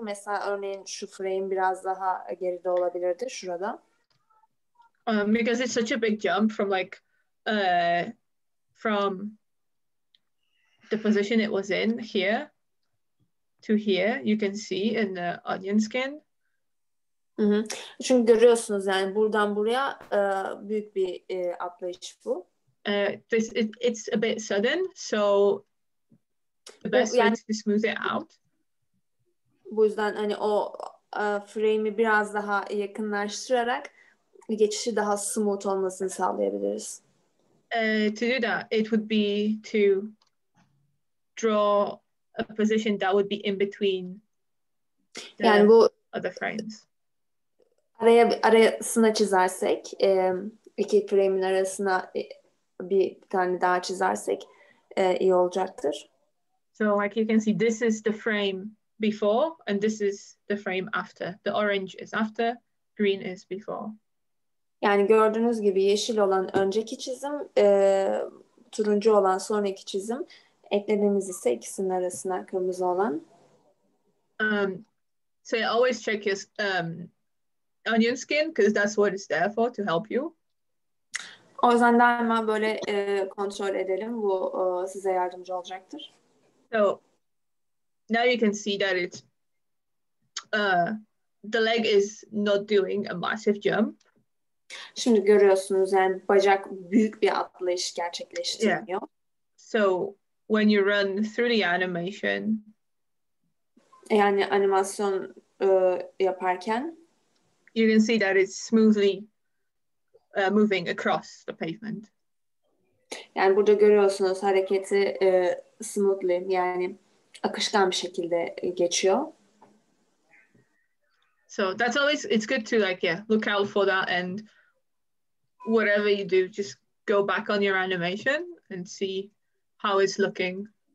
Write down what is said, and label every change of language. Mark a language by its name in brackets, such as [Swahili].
[Turkish] Mesela örneğin şu frame biraz daha geride olabilirdi şurada. [English] Because it's such a big jump from like from the position it was in here. To here, you can see in the onion skin. Mm-hmm. [Turkish] Çünkü görüyorsunuz yani buradan buraya büyük bir atlayış bu. [English] It's a bit sudden, so the best way to smooth it out. [Turkish] Bu yüzden hani o frame'i biraz daha yakınlaştırarak geçişi daha smooth olmasını sağlayabiliriz. [English] To do that, it would be to draw a position that would be in between [Turkish] the yani bu, [English] other frames. [Turkish] Araya, arasına çizersek, iki frame'in arasına bir tane daha çizersek iyi olacaktır. [English] So like you can see, this is the frame before and this is the frame after. The orange is after, green is before. [Turkish] Yani gördüğünüz gibi yeşil olan önceki çizim, turuncu olan sonraki çizim. Eklediğimiz ise ikisinin arasına kırmızı olan. [English] So you always check your onion skin because that's what it's there for, to help you. [Turkish] O yüzden daima böyle kontrol edelim. Bu size yardımcı olacaktır. [English] So now you can see that it's the leg is not doing a massive jump. [Turkish] Şimdi görüyorsunuz yani bacak büyük bir atlayış gerçekleştirmiyor. [English] Yeah. So when you run through the animation, [Turkish] yani animasyon yaparken, [English] you can see that it's smoothly moving across the pavement. [Turkish] Yani burada görüyorsunuz hareketi smoothly, yani akışkan bir şekilde geçiyor. [English] So that's always, it's good to like, yeah, look out for that, and whatever you do, just go back on your animation and see how it's looking.